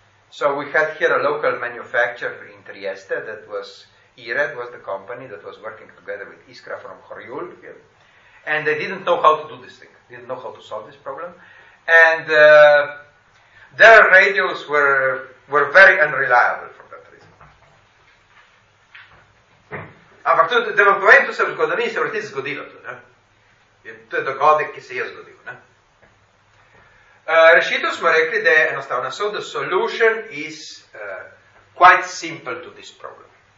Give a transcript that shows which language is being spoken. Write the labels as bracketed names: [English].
[English] So we had here a local manufacturer in Trieste, that was IRET, was the company that was working together with Iskra from Horjul. And they didn't know how to do this thing. Didn't know how to solve this problem. And their radios were very unreliable. [Slovenian] Ampak tudi, da vam povem, to se v zgodovini se vrti zgodilo. To, ne? To je dogodek, ki se je zgodil. Ne? Rešitev smo rekli, da je enostavna. [English] So the solution is quite simple to this problem.